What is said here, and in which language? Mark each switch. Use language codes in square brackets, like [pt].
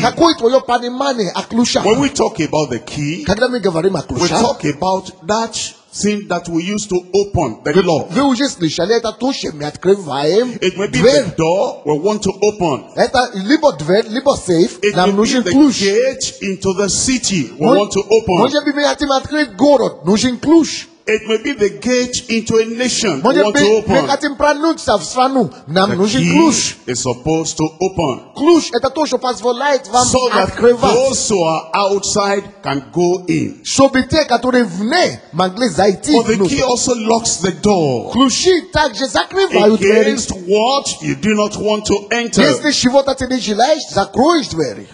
[ru] Какое твое понимание о ключах? [en] When we talk about the key, [ru] когда мы говорим о ключах, [en] we talk about that thing that we used to open the lock. [ru] Вы уже слышали это то, чем мы открываем дверь. [en] It may be the door we want to open. [ru] Это либо дверь, либо сейф. [en] It [ru] нам нужен ключ. [en] The gate into the city we want to open. [ru] Может быть мы хотим открыть город, нужен ключ. [en] It may be the gate into a nation you want to open. The key is supposed to open. So that those who are outside can go in. But the key also locks the door against what you do not want to enter.